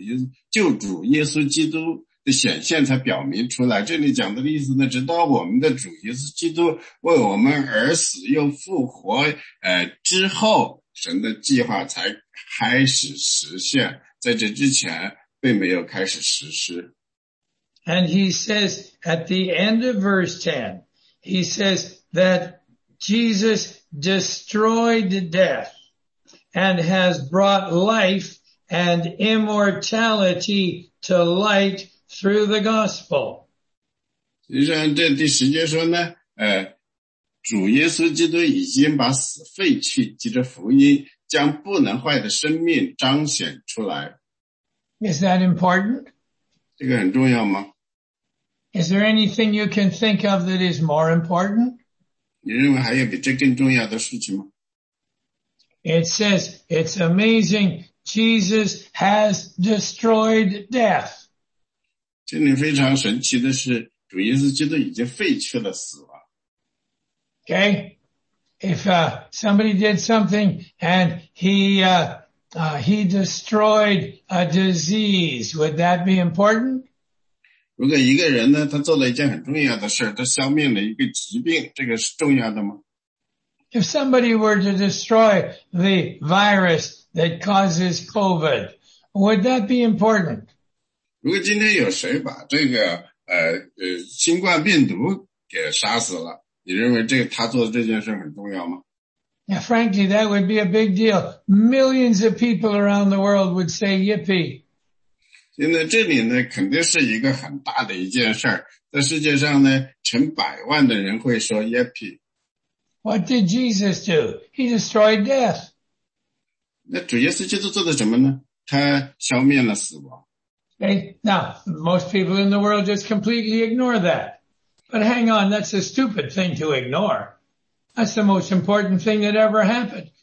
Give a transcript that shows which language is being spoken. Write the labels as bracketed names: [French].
[Chinese] 实际上那个神的计划呢,早就在创世之前,之前已经制定出来了。就是呢,这个第十节说,但如今记着我们的主耶稣,救主耶稣基督, 显现才表明出来,这里讲的意思呢,直到我们的主耶稣基督为我们而死又复活,之后神的计划才开始实现,在这之前并没有开始实施。 [English] And he says at the end of verse 10, he says that Jesus destroyed death and has brought life and immortality to light through the gospel. [Chinese] 实际上这第十节说呢,主耶稣基督已经把死废去,藉着福音将不能坏的生命彰显出来。 [English] Is that important? [Chinese] 这个很重要吗？ [English] Is there anything you can think of that is more important? [Chinese] 你认为还有比这更重要的事情吗？ [English] It says, it's amazing, Jesus has destroyed death. [Chinese] 这里非常神奇的是主耶稣基督已经废去了死亡。 [English] Okay, if somebody did something and he destroyed a disease, would that be important? [Chinese] 如果一个人呢，他做了一件很重要的事，他消灭了一个疾病，这个是重要的吗？ [English] If somebody were to destroy the virus that causes COVID, would that be important? [Chinese] 如果今天有谁把这个新冠病毒给杀死了？你认为这个他做的这件事很重要吗？ [English] Now, frankly, that would be a big deal. Millions of people around the world would say yippee. [Chinese] 现在这里呢，肯定是一个很大的一件事儿。在世界上呢，成百万的人会说 yippee。 [English] What did Jesus do? He destroyed death. [Chinese] 那主耶稣基督做的什么呢？他消灭了死亡。 [English] Okay, now, most people in the world just completely ignore that. But hang on, that's a stupid thing to ignore. That's the most important thing that ever happened.